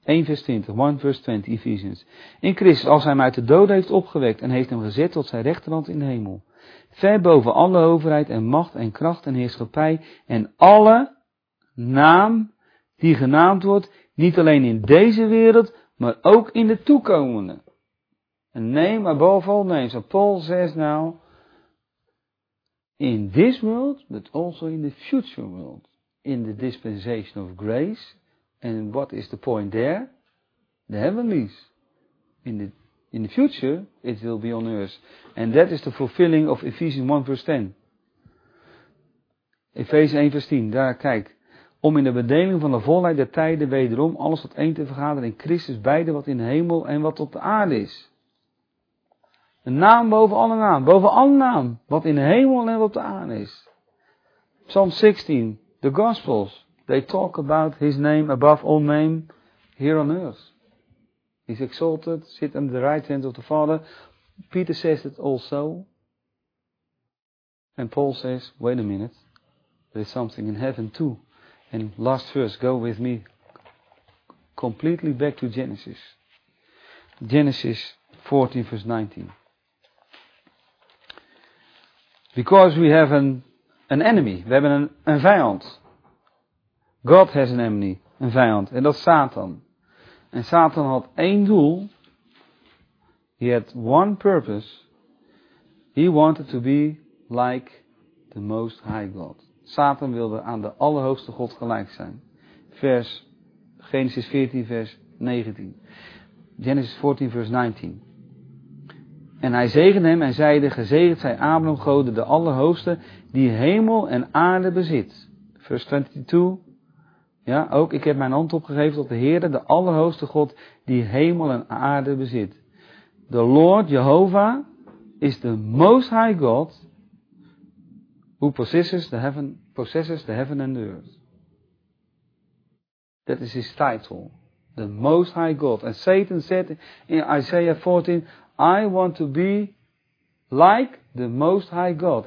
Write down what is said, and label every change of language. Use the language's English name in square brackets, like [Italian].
[Dutch] 1 vers 20, 1 vers 20, Ephesians. In Christus, als hij mij uit de dood heeft opgewekt en heeft hem gezet tot zijn rechterhand in de hemel. Ver boven alle overheid en macht en kracht en heerschappij en alle naam die genaamd wordt, niet alleen in deze wereld, maar ook in de toekomende. Een [English] name above all names. So Paul says now, in this world, but also in the future world, in the dispensation of grace. And what is the point there? The heavenlies. In the future, it will be on earth. And that is the fulfilling of Ephesians 1 verse 10. Ephesians 1 verse 10, [Dutch] daar kijk. Om in de bedeling van de volheid der tijden wederom alles tot één te vergaderen in Christus, beide wat in de hemel en wat op de aarde is. Een naam boven alle naam, boven alle naam, wat in de hemel en wat op de aarde is. [English] Psalm 16, the Gospels, they talk about his name above all name here on earth. He's exalted, sit under the right hand of the Father. Peter says it also. And Paul says, wait a minute, there's something in heaven too. And last verse, go with me completely back to Genesis. Genesis 14 verse 19. Because we have an enemy, [Dutch] we hebben een vijand. [English] God has an enemy, [Dutch] een vijand, en dat is Satan. En Satan had één doel. [English] He had one purpose. He wanted to be like the Most High God. [Dutch] Satan wilde aan de Allerhoogste God gelijk zijn. Vers Genesis 14 vers 19. Genesis 14 vers 19. En hij zegende hem en zeide, gezegend zij Abraham, God de Allerhoogste, die hemel en aarde bezit. Vers 22. Ja, ook ik heb mijn hand opgegeven tot de Heere, de Allerhoogste God, die hemel en aarde bezit. [English] The Lord, Jehovah, is the Most High God, who possesses the heaven and the earth. That is his title, the Most High God. And Satan said in Isaiah 14, I want to be like the Most High God.